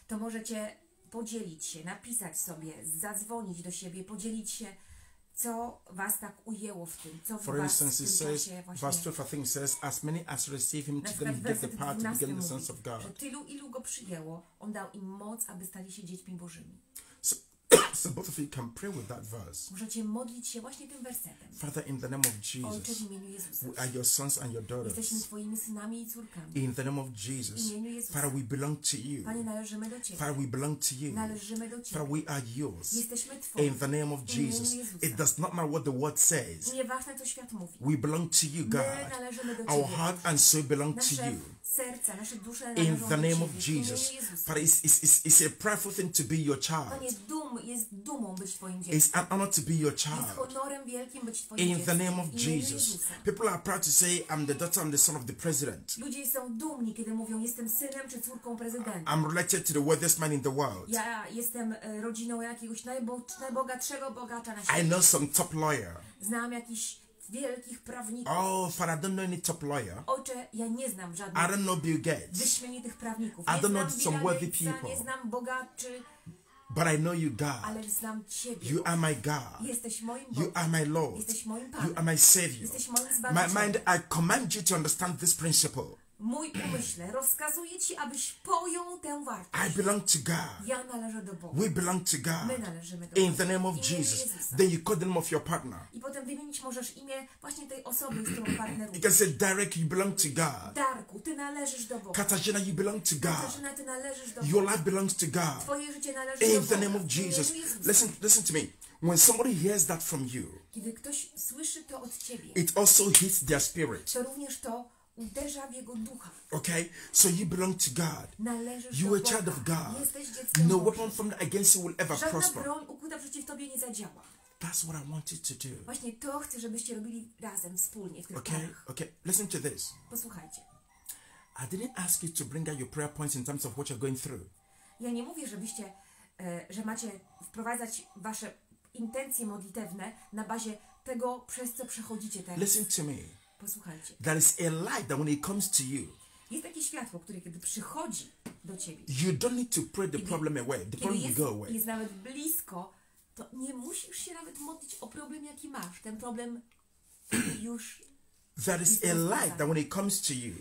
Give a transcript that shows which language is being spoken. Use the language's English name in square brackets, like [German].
[Polish] To możecie podzielić się, napisać sobie, zadzwonić do siebie, podzielić się, co was tak ujęło w tym, co [English] for [Polish] was [English] instance, [Polish] w tym [English] says, verse 12, I think says, as many as receive him to them give the power to begin the sons of God. [Polish] Tylu, ilu go przyjęło, on dał im moc, aby stali się dziećmi Bożymi. [English] So both of you can pray with that verse. [Polish] Możecie modlić się właśnie tym wersetem. [English] Father, in the name of Jesus, [Polish] Ojcze, w imieniu Jezusa, [English] we are your sons and your daughters. [Polish] Jesteśmy twoimi synami i córkami. [English] In the name of Jesus, [Polish] w imieniu Jezusa, [English] Father, we belong to you. [Polish] Panie, należymy do ciebie. [English] Father, we belong to you. [Polish] Należymy do ciebie. [English] Father, we are yours. [Polish] Jesteśmy twoi. [English] In the name of Jesus, [Polish] w imieniu Jezusa, [English] it does not matter what the word says. [Polish] Nieważne, co świat mówi. [English] We belong to you, God. [Polish] My należymy do ciebie. [English] Our heart and soul belong to you. [Polish] Serca, nasze dusze [English] in the name of [Polish] ciebie, [English] Jesus. But it's a prayerful thing to be your child. [Polish] Panie, jest dumą być twoim dzieckiem. [English] It's an honor to be your child. [Polish] Jest honorem wielkim być twoim [English] in [Polish] dzieckiem. [English] The name of Jesus. [Polish] Jezusa. [English] People are proud to say, I'm the daughter, I'm the son of the president. [Polish] Ludzie są dumni, kiedy mówią, jestem synem czy córką prezydenta. [English] I'm related to the wealthiest man in the world. [Polish] Ja jestem rodziną jakiegoś najbogatszego bogacza na świecie. [English] I know some top lawyer. [Polish] Znam jakiś wielkich prawników. [English] Oh, for I don't know any top lawyer. [Polish] Ojcze, ja nie znam żadnych. [English] I don't know Bill Gates. [Polish] Wyśmienitych prawników. [English] I don't know some wealthy people. [Polish] Nie znam bogaczy. [English] But I know you, God. [Polish] Ale znam ciebie. [English] You are my God. [Polish] Jesteś moim Bogiem. [English] You are my Lord. [Polish] Jesteś moim Panem. [English] You are my Savior. [Polish] Jesteś moim Zbawicielem. [English] My mind, I command you to understand this principle. [Polish] Mój umyśle rozkazuje ci, abyś pojął tę wartość. [English] I belong to God. [Polish] Ja należę do Boga. [English] We belong to God. [Polish] My należymy do Boga. [English] In the name of Jesus. Then you call the name of your partner. [Polish] I potem wymienić możesz imię właśnie tej osoby, z którą partnerujesz. [English] You can say, Derek, you belong to God. [Polish] Darku, ty należysz do Boga. [English] Katarzyna, you belong to God. [Polish] Katarzyna, ty należysz do Boga. [English] Your life belongs to God. [Polish] Twoje życie należy do Boga. [English] In the name of Jesus. Listen to me. When somebody hears that from you, [Polish] kiedy ktoś słyszy to od ciebie, [English] it also hits their spirit. [Polish] To również to uderza w jego ducha. [English] Okay, so you belong to God. [Polish] Należysz [English] you [Polish] do [English] are [Polish] Boga. [English] Child of God. [Polish] Jesteś dzieckiem [English] no [Polish] Bożym. [English] Weapon formed against you will ever [Polish] żadna [English] prosper. [Polish] Żadna broń ukuta przeciw tobie nie zadziała. [English] That's what I wanted to do. [Polish] Właśnie to chcę, żebyście robili razem, wspólnie w tych planach. [English] Okay, listen to this. [Polish] Posłuchajcie. [English] I didn't ask you to bring out your prayer points in terms of what you're going through. [Polish] Ja nie mówię, żebyście, że macie wprowadzać wasze intencje modlitewne na bazie tego, przez co przechodzicie teraz. [English] Listen to me. [Polish] Posłuchajcie. [English] There is a light that when it comes to you. [Polish] Jest takie światło, które kiedy przychodzi do ciebie. [English] You don't need to pray the problem away. The problem will go away. [Polish] Jest nawet blisko. To nie musisz się nawet modlić o problem, jaki masz. Ten problem już. [English] There is a light that when it comes to you.